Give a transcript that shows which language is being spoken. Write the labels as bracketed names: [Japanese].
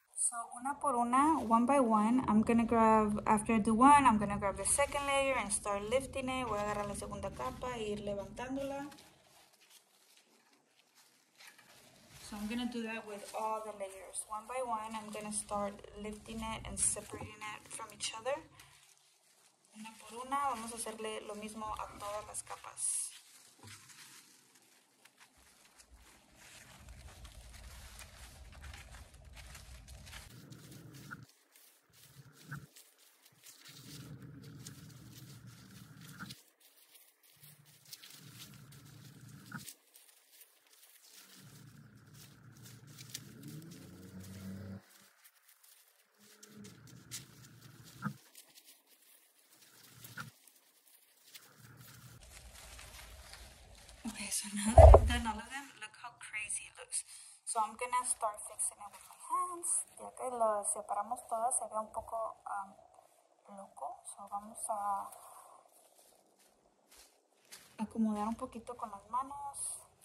[English] So [Spanish] una por una, [English] one by one, I'm gonna grab, after I do one, I'm gonna grab the second layer and start lifting it. [Spanish] Voy a agarrar la segunda capa e ir levantándola. [English] So I'm gonna do that with all the layers. One by one, I'm gonna start lifting it and separating it from each other. [Spanish] Una por una, vamos a hacerle lo mismo a todas las capas. [English] So now that I've done all of them, look how crazy it looks. So I'm gonna start fixing it with my hands. [Spanish] Ya que lo separamos todas, se ve un poco loco. So vamos a acomodar un poquito con las manos.